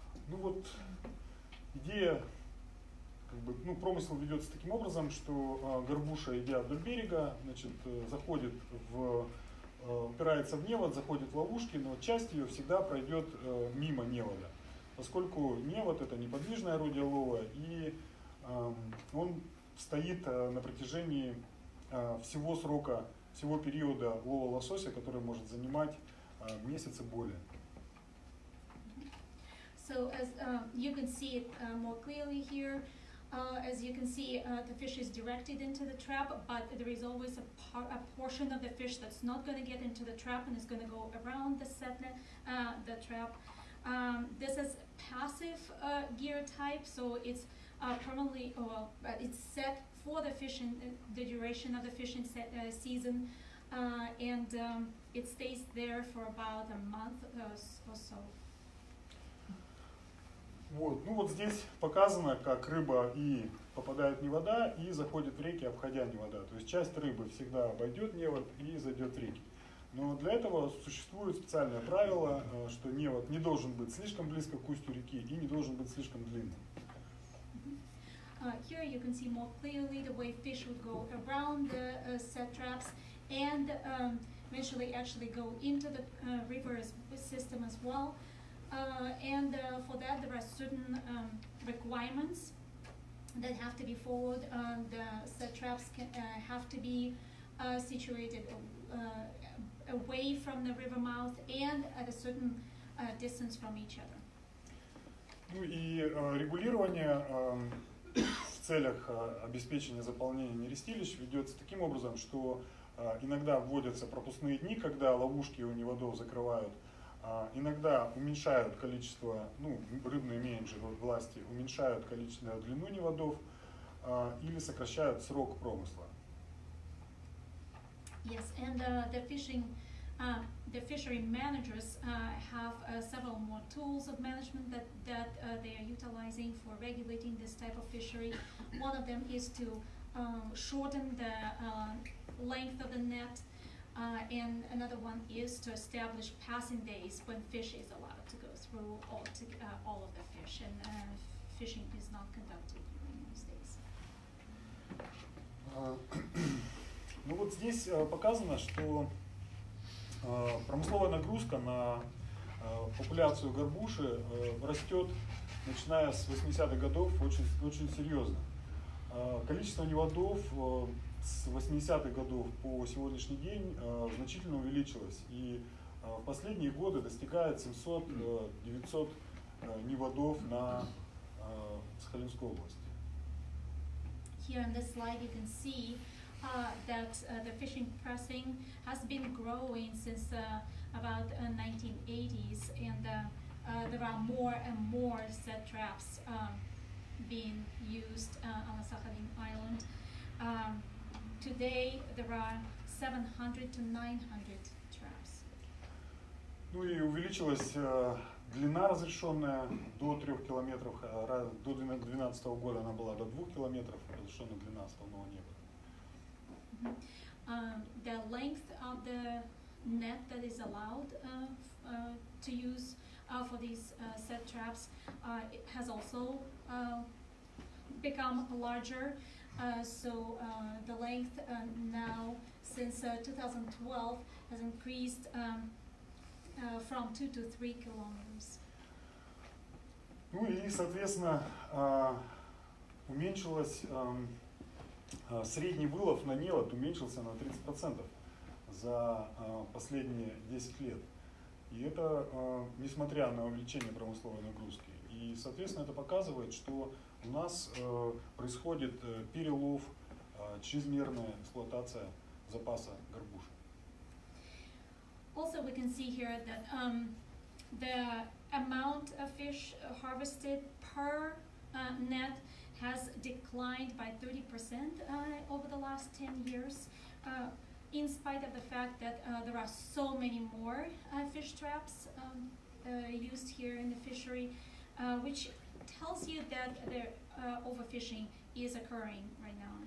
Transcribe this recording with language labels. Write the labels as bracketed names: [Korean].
[Russian] Ну вот идея как бы, ну, промысел ведется таким образом, что горбуша, идя вдоль берега, значит, заходит в упирается в невод, заходит в ловушки, но часть ее всегда пройдет мимо невода, поскольку невод — это неподвижное орудие лова, и он стоит на протяжении всего срока, всего периода лова лосося, который может занимать месяц и более. [English] So as you can see it more clearly here, as you can see, the fish is directed into the trap, but there is always a portion of the fish that's not going to get into the trap and is going to go around the set net, the trap. This is passive gear type, so it's permanently, it's set for the fish in the duration of the fishing set, season, and it stays there for about a month or so. [Russian] Вот. Ну вот здесь показано, как рыба и попадает в невода, и заходит в реки, обходя невода. То есть часть рыбы всегда обойдет невод и зайдет в реки. Но для этого существует специальное правило, что невод не должен быть слишком близко к устью реки и не должен быть слишком длинным. [English] Here you can see more clearly the way fish would go around the set traps and eventually actually go into the river system as well. And for that, there are certain requirements that have to be followed. The set traps can, have to be situated away from the river mouth and at a certain distance from each other. [Russian] Ну и регулирование в целях обеспечения заполнения нерестилищ ведется таким образом, что иногда вводятся пропускные дни, когда ловушки у неводов закрывают. Иногда уменьшают количество, ну, рыбные менеджеры от власти уменьшают количество длину неводов или сокращают срок промысла. [English] Yes, and the fishing, the fishery managers have several more tools of management that they are utilizing for regulating this type of fishery. One of them is to shorten the length of the net. And another one is to establish passing days when fish is allowed to go through all, to, all of the fish, and fishing is not conducted during those days. [Russian] Ну вот здесь показано, что промысловая нагрузка на популяцию горбуши растет, начиная с 80-х годов, очень, очень серьезно. Количество неводов с 80-х годов по сегодняшний день значительно увеличилось, и в последние годы достигает 700-900 неводов на Сахалинской области. [English] Here in this slide you can see that the fishing pressing has been growing since about 1980s, and there are more and more set traps being used on the Sakhalin Island. Today there are 700 to 900 traps. [Russian] Ну и увеличилась длина разрешенная до 3 километров. До 2012 года она была до 2 километров, разрешенная длина основного неба. [English] The length of the net that is allowed to use for these set traps has also become larger. So the length now, since 2012, has increased from 2 to 3 kilometers. [Russian] Ну и, соответственно, уменьшилось средний вылов на невод уменьшился на 30% за последние 10 лет. И это несмотря на увеличение промысловой нагрузки. И, соответственно, это показывает, что у нас происходит перелов, чрезмерная эксплуатация запаса горбуши. [English] Also, we can see here that the amount of fish harvested per net has declined by 30% over the last 10 years, in spite of the fact that there are so many more fish traps used here in the fishery, which tells you that the overfishing is occurring right now.